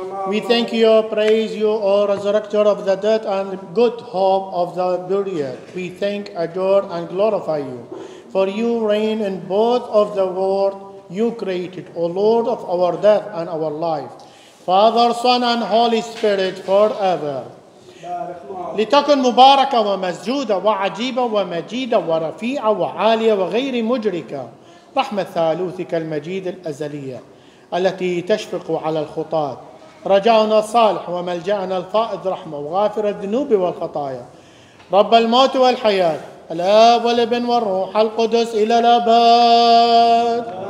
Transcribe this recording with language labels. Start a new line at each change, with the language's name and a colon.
English: We thank you, praise you, O Resurrector of the dead and good hope of the buried. We thank, adore, and glorify you, for you reign in both of the world you created, O Lord of our death and our life, Father, Son, and Holy Spirit forever.
Arabic: لتكن مباركة ومسجودة وعجيبة ومجيدة ورفيعة وعالية وغير مجركة رحمة ثالوثك المجيد الأزلية التي تشفق على الخطاة، رجاؤنا الصالح وملجأنا الفائض رحمة وغافر الذنوب والخطايا، رب الموت والحياة، الآب والابن والروح القدس إلى الأبد.